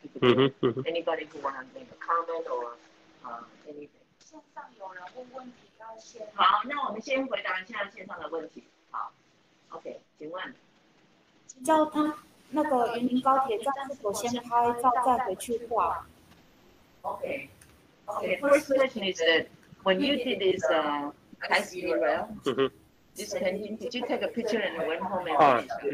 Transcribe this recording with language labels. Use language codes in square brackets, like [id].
[en] If anybody who want to make a comment or anything. [zh] 线上有人问问题。好，那我们先回答一下线上的问题。好 ，OK， 请问，叫他那个云林高铁站是否先拍照再回去画 [en] ？OK，OK，First question is that when you did this ice cream rail, this painting, did you take a picture and went home and